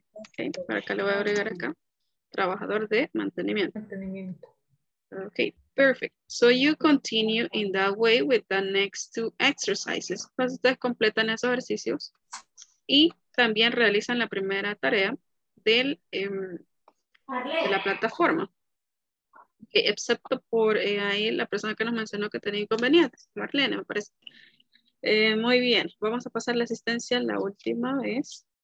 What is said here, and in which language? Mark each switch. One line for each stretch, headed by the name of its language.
Spanish: Okay, para acá le voy a agregar acá. Trabajador de mantenimiento.
English: Okay, perfect. So you continue in that way with the next two exercises.
Spanish: Entonces ustedes completan esos ejercicios. Y también realizan la primera tarea del, de la plataforma. Okay, excepto por ahí la persona que nos mencionó que tenía inconvenientes. Marlene, me parece. Muy bien. Vamos a pasar la asistencia la última vez.